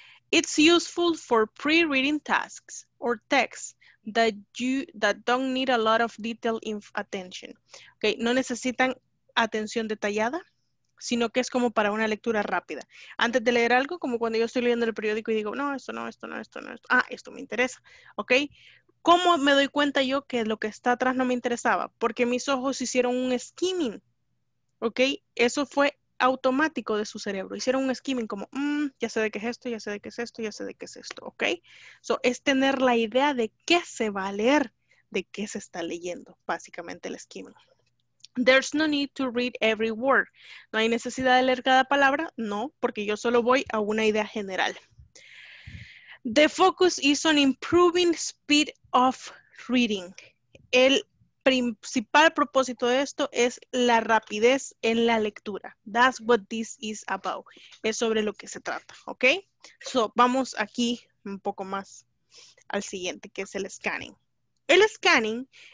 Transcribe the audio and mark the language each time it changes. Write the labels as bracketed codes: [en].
[en] It's useful for pre-reading tasks or texts that don't need a lot of detailed attention. [es] Okay, no necesitan atención detallada, sino que es como para una lectura rápida. Antes de leer algo, como cuando yo estoy leyendo el periódico y digo, no, esto no, esto no, esto no, esto. Ah, esto me interesa. ¿Ok? ¿Cómo me doy cuenta yo que lo que está atrás no me interesaba? Porque mis ojos hicieron un skimming. ¿Ok? Eso fue automático de su cerebro. Hicieron un skimming como, ya sé de qué es esto, ya sé de qué es esto, ya sé de qué es esto. ¿Ok? So, es tener la idea de qué se va a leer, de qué se está leyendo, básicamente el skimming. [en] There's no need to read every word. [es] No hay necesidad de leer cada palabra. No, porque yo solo voy a una idea general. [en] The focus is on improving speed of reading. [es] El principal propósito de esto es la rapidez en la lectura. [en] That's what this is about. [es] Es sobre lo que se trata, ¿ok? So, vamos aquí un poco más al siguiente, que es el scanning. El scanning